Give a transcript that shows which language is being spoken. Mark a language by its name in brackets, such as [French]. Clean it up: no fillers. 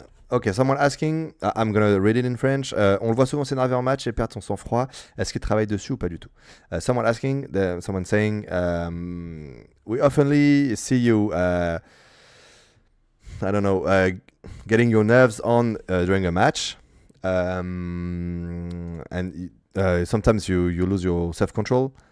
[English] Ok, someone asking, I'm gonna read it in French. [French] On le voit souvent s'énerver en match et perdre son sang-froid. Est-ce qu'il travaille dessus ou pas du tout? [English] Someone saying, we oftenly see you, I don't know, getting your nerves on during a match, and sometimes you lose your self-control.